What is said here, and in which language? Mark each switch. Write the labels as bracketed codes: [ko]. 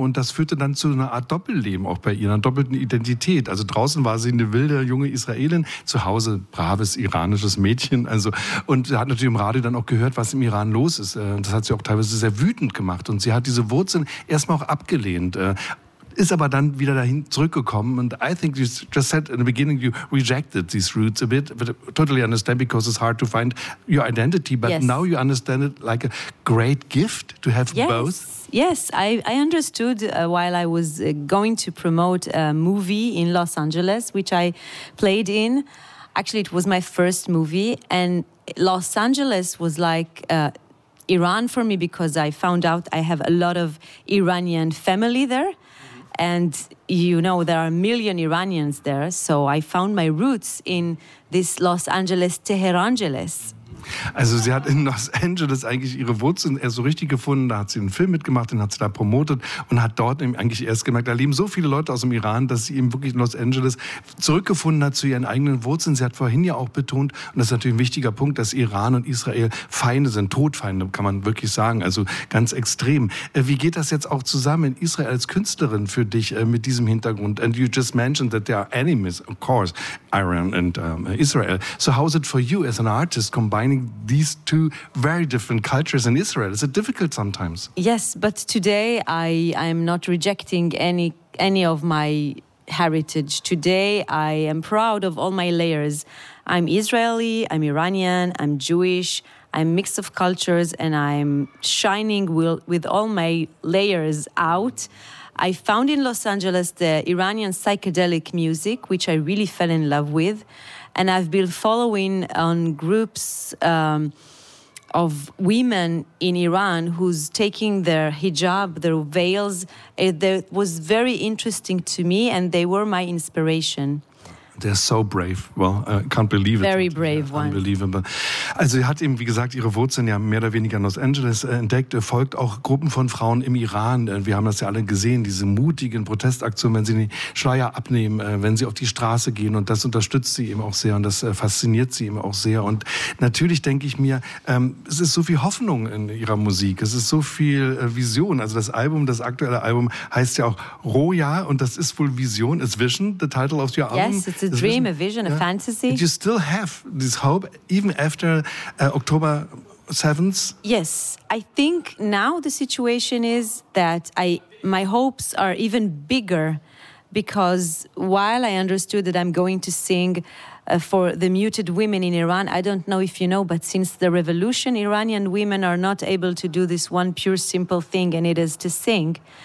[de] Und das führte dann zu einer Art Doppelleben auch bei ihr, einer doppelten Identität. Also draußen war sie eine wilde, junge Israelin, zu Hause braves iranisches Mädchen. Also, und sie hat natürlich im Radio dann auch gehört, was im Iran los ist. Das hat sie auch teilweise sehr wütend gemacht und sie hat diese Wurzeln erstmal auch abgelehnt, ist aber dann wieder dahin zurückgekommen. [en] And I think you just said in the beginning you rejected these roots a bit, but I totally understand because it's hard to find your identity, but now you understand it like a great gift to have both. Yes, I understood while I was going to promote a movie in Los Angeles, which I played in. Actually, it was my first movie, and Los Angeles was like Iran for me because I found out I have a lot of Iranian family there. And, you know, there are a million Iranians there. So I found my roots in this Los Angeles, Teherangeles. [de] Also sie hat in Los Angeles eigentlich ihre Wurzeln erst so richtig gefunden. Da hat sie einen Film mitgemacht, den hat sie da promotet und hat dort eigentlich erst gemerkt, da leben so viele Leute aus dem Iran, dass sie eben wirklich in Los Angeles zurückgefunden hat zu ihren eigenen Wurzeln. Sie hat vorhin ja auch betont, und das ist natürlich ein wichtiger Punkt, dass Iran und Israel Feinde sind, Todfeinde, kann man wirklich sagen, also ganz extrem. Wie geht das jetzt auch zusammen in Israel als Künstlerin für dich mit diesem Hintergrund? [en] And you just mentioned that there are enemies, of course, Iran and Israel. So how is it for you as an artist combining these two very different cultures in Israel? Is it difficult sometimes? Yes, but today I'm not rejecting any of my heritage. Today I am proud of all my layers. I'm Israeli, I'm Iranian, I'm Jewish, I'm a mix of cultures, and I'm shining with all my layers out. I found in Los Angeles the Iranian psychedelic music, which I really fell in love with. And I've been following on groups of women in Iran who's taking their hijab, their veils. It was very interesting to me, and they were my inspiration. They're so brave. Well, I can't believe it. Very brave one. Unbelievable. [de] Also sie hat eben, wie gesagt, ihre Wurzeln ja mehr oder weniger in Los Angeles entdeckt, folgt auch Gruppen von Frauen im Iran. Wir haben das ja alle gesehen, diese mutigen Protestaktionen, wenn sie den Schleier abnehmen, wenn sie auf die Straße gehen. Und das unterstützt sie eben auch sehr und das fasziniert sie eben auch sehr. Und natürlich denke ich mir, es ist so viel Hoffnung in ihrer Musik. Es ist so viel Vision. Also das Album, das aktuelle Album heißt ja auch Roja und das ist wohl Vision. [en] It's Vision, the title of your album. Yes, it's a dream, a vision, yeah. A fantasy. But you still have this hope, even after October 7th? Yes. I think now the situation is that my hopes are even bigger because while I understood that I'm going to sing for the muted women in Iran, I don't know if you know, but since the revolution, Iranian women are not able to do this one pure simple thing, and it is to sing.